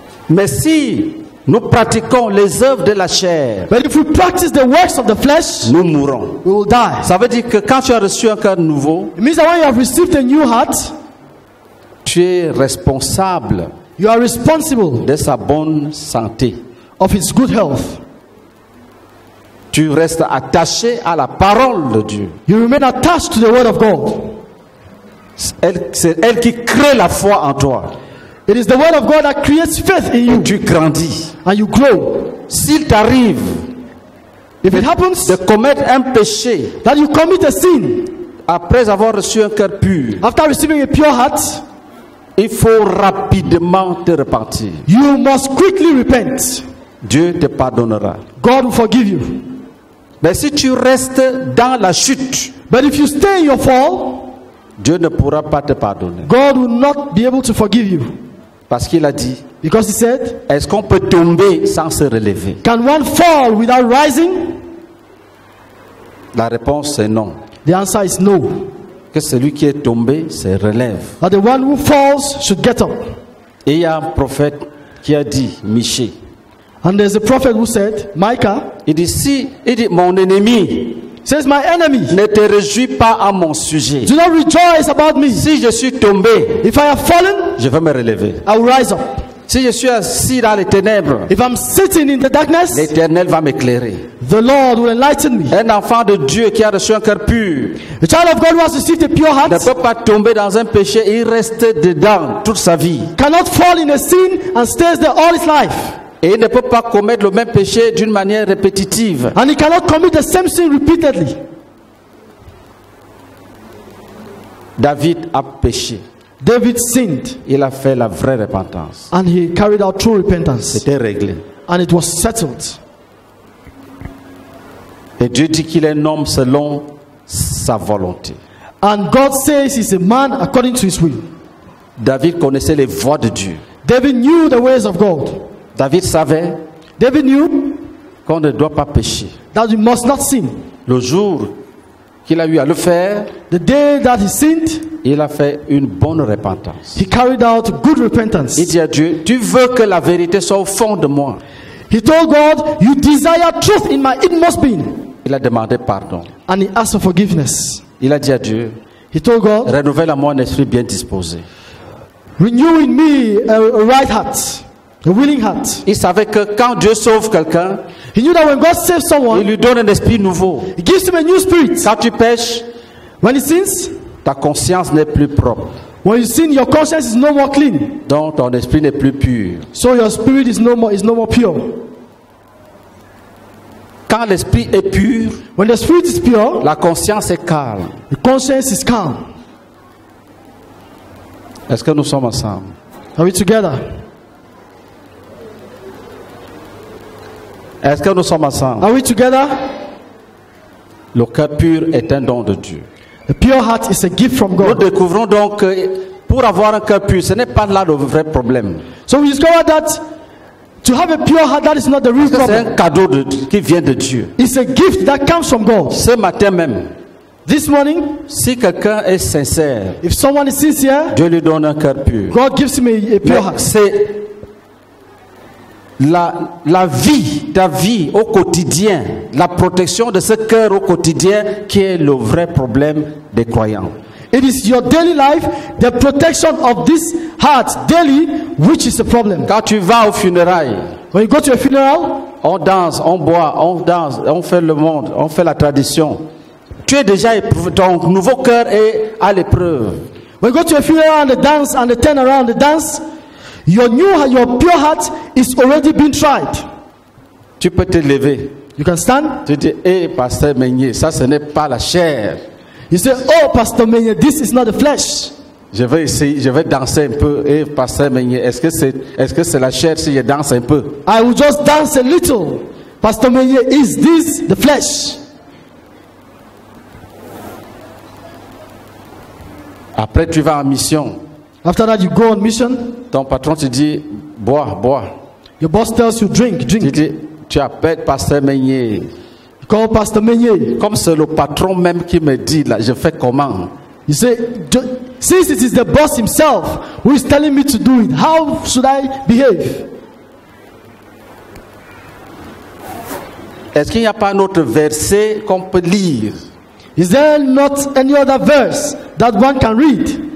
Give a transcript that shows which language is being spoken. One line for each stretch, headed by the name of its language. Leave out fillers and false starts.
French: Mais si nous pratiquons les œuvres de la chair,
English: but if we practice the works of the flesh,
French: nous mourrons,
English: we will die.
French: Ça veut dire que quand tu as reçu un cœur nouveau,
English: it means that when you have received a new heart,
French: tu es responsable,
English: you are responsible,
French: de sa bonne santé,
English: of its good health.
French: Tu restes attaché à la parole de Dieu.
English: You remain attached to the word of God.
French: C'est elle qui crée la foi en toi.
English: It is the word of God that creates faith in you.
French: Tu grandis.
English: And you grow.
French: S'il t'arrive,
English: if it happens,
French: de commettre un péché,
English: that you commit a sin,
French: après avoir reçu un cœur pur,
English: after receiving a pure heart,
French: il faut rapidement te repentir.
English: You must quickly repent.
French: Dieu te pardonnera.
English: God will forgive you.
French: Mais si tu restes dans la chute,
English: but if you stay in your fall,
French: Dieu ne pourra pas te pardonner.
English: God will not be able to forgive you.
French: Parce qu'il a dit,
English: because he said,
French: est-ce qu'on peut tomber sans se relever?
English: Can one fall without rising?
French: La réponse est non.
English: The answer is no.
French: Que celui qui est tombé se relève.
English: That the one who falls should get up.
French: Et il y a un prophète qui a dit, Miché.
English: And there's a prophet who said, Micah,
French: il dit, mon ennemi,
English: says my enemy,
French: ne te réjouis pas à mon sujet.
English: Do not rejoice about me.
French: Si je suis tombé,
English: if I have fallen,
French: je vais me relever.
English: I will rise up.
French: Si je suis assis dans les ténèbres,
English: if I'm sitting in the darkness,
French: l'Éternel va m'éclairer.
English: The Lord will enlighten me.
French: Un enfant de Dieu qui a reçu un cœur pur,
English: a child of God who has received a pure heart,
French: ne peut pas tomber dans un péché et rester dedans toute sa vie.
English: Cannot fall in a sin and stays there all his life.
French: Et il ne peut pas commettre le même péché d'une manière répétitive.
English: And he cannot commit the same sin repeatedly.
French: David a péché.
English: David sinned.
French: Il a fait la vraie repentance.
English: And he carried out true repentance.
French: C'était réglé.
English: And it was settled.
French: Et Dieu dit qu'il est un homme selon sa volonté.
English: And God says he's a man according to his will.
French: David connaissait les voies de Dieu.
English: David knew the ways of God.
French: David savait.
English: David knew
French: qu'on ne doit pas pécher.
English: That he must not sin.
French: Le jour qu'il a eu à le faire,
English: the day that he sinned,
French: il a fait une bonne repentance.
English: He carried out good repentance.
French: Il dit à Dieu, tu veux que la vérité soit au fond de moi.
English: He told God, you desire truth in my inmost being.
French: Il a demandé pardon.
English: And he asked for forgiveness.
French: Il a dit à Dieu,
English: he told God,
French: renouvelle à moi un esprit bien disposé.
English: Renew in me a right heart, a willing heart.
French: Il savait que quand Dieu sauve quelqu'un,
English: he knew that when God saves someone,
French: il lui donne un esprit nouveau.
English: He gives him a new spirit.
French: Quand tu pèches,
English: when he sins,
French: ta conscience n'est plus propre.
English: When you sin, your conscience is no more clean.
French: Donc ton esprit n'est plus pur.
English: So your spirit is no more pure.
French: Quand l'esprit est pur,
English: when the spirit is pure,
French: la conscience est calme.
English: The conscience is calm.
French: Est-ce que nous sommes ensemble?
English: Are we together?
French: Est-ce que nous sommes ensemble?
English: Are we together?
French: Le cœur pur est un don de Dieu.
English: A pure heart is a gift from God.
French: Nous découvrons donc que pour avoir un cœur pur, ce n'est pas là le vrai problème.
English: So we discover that to have a pure heart, that is not the real problem.
French: C'est un cadeau qui vient de Dieu.
English: It's a gift that comes from God.
French: Ce matin même,
English: this morning,
French: si quelqu'un est sincère,
English: if someone is sincere,
French: Dieu lui donne un cœur pur.
English: God gives him a pure heart.
French: C'est la vie, ta vie au quotidien, la protection de ce cœur au quotidien qui est le vrai problème des croyants.
English: It is your daily life, the protection of this heart daily, which is the problem.
French: Quand tu vas au funérail,
English: when you go to a funeral,
French: on danse, on boit, on danse, on fait le monde, on fait la tradition. Tu es déjà éprouvé, ton nouveau cœur est à l'épreuve.
English: When you go to a funeral and the dance and the turn around the dance, your pure heart is already being tried.
French: Tu peux te lever.
English: You can stand.
French: Tu dis, hey, Pasteur Meunier, ça ce n'est pas la chair.
English: You say, oh, Pasteur Meunier, this is not the flesh.
French: Je vais essayer, je vais danser un peu. Hey, Pasteur Meunier, est-ce que c'est la chair si je danse un peu?
English: I will just dance a little. Pasteur Meunier, is this the flesh?
French: Après, tu vas en mission.
English: After that, you go on mission.
French: Ton patron te dit, bois, bois.
English: Your boss tells you, drink, drink.
French: Tu dis, tu appelles Pasteur Meunier.
English: You call Pasteur Meunier.
French: Comme c'est le patron même qui me dit, là, je fais comment?
English: You say, since it is the boss himself who is telling me to do it, how should I behave?
French: Est-ce qu'il n'y a pas un autre verset qu'on peut lire?
English: Is there not any other verse that one can read?